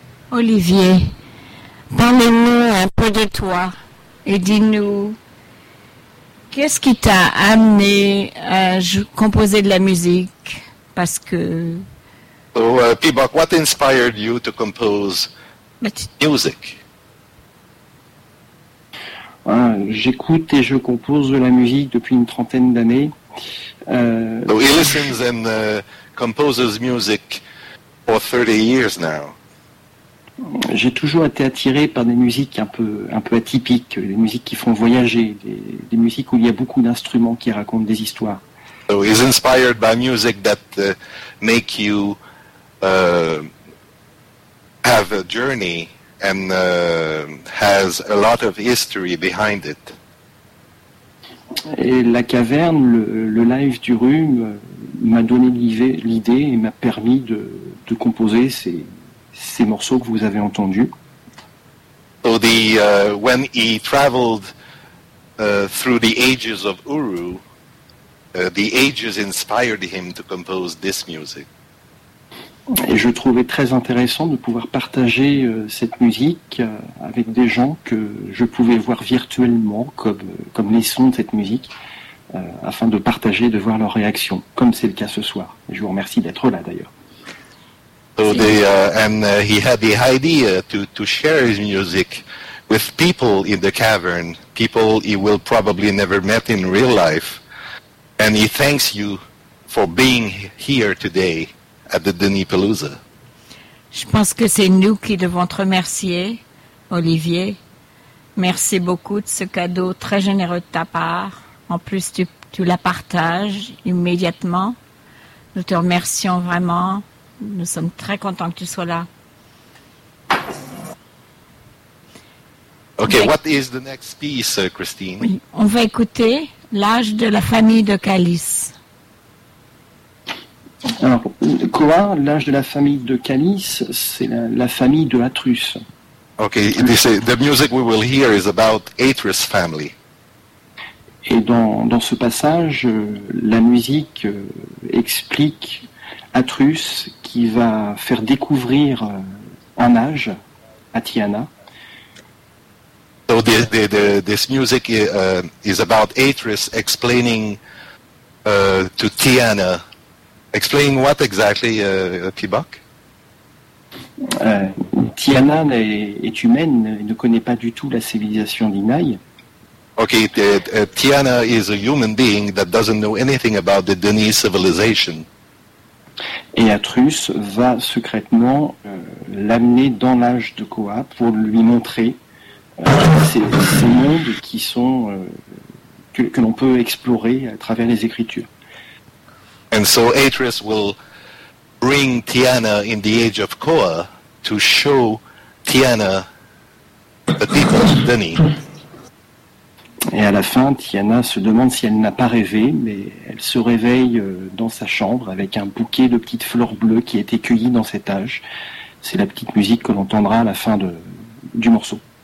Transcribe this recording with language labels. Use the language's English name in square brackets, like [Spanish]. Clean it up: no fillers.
[French] Olivier, parlez-nous un peu de toi et dis-nous, qu'est-ce qui t'a amené à composer de la musique? Parce que... [English] So, Pibok, what inspired you to compose music? [French] J'écoute et je compose de la musique depuis une trentaine d'années. [English] So he listens and composes music for 30 years now. [French] J'ai toujours été attiré par des musiques un peu atypiques, des musiques qui font voyager, des musiques où il y a beaucoup d'instruments qui racontent des histoires. [English] So he's inspired by music that make you have a journey and has a lot of history behind it. [French] Et la caverne, le live du rhume, m'a donné l'idée et m'a permis de composer ces morceaux que vous avez entendus. [English] So the when he traveled through the ages of Uru, the ages inspired him to compose this music. [French] Et je trouvais très intéressant de pouvoir partager cette musique avec des gens que je pouvais voir virtuellement comme les sons de cette musique afin de partager et de voir leur réaction, comme c'est le cas ce soir. Et je vous remercie d'être là d'ailleurs. [English] So he had the idea to share his music with people in the cavern, people he will probably never met in real life, and he thanks you for being here today at the Denis Palooza. [French] Je pense que c'est nous qui devons te remercier, Olivier. Merci beaucoup de ce cadeau très généreux de ta part. En plus, tu la partages immédiatement. Nous te remercions vraiment. Nous sommes très contents que tu sois là. [English] Okay, what is the next piece, Christine? [French] Oui, on va écouter l'âge de la famille de Calice. Alors, Koa, l'âge de la famille de Calice, c'est la famille de Atrus. [English] Okay, the music we will hear is about Atrus' family. [French] Et dans ce passage, la musique explique Atrus qui va faire découvrir en âge à Tiana. [English] So this music is about Atrus explaining to Tiana. Explain what exactly, Pibok? [French] Tiana est humaine, elle ne connaît pas du tout la civilisation d'Inai. [English] Okay, Tiana is a human being that doesn't know anything about the Denis civilization. [French] Et Atrus va secrètement l'amener dans l'âge de Koa pour lui montrer ces mondes qui sont que l'on peut explorer à travers les écritures. [English] And so Atrus will bring Tiana in the age of Koa to show Tiana the people of Denis. [French] Et à la fin, Tiana se demande si elle n'a pas rêvé, mais elle se réveille dans sa chambre avec un bouquet de petites fleurs bleues qui a été cueilli dans cet âge. C'est la petite musique que l'on entendra à la fin du morceau.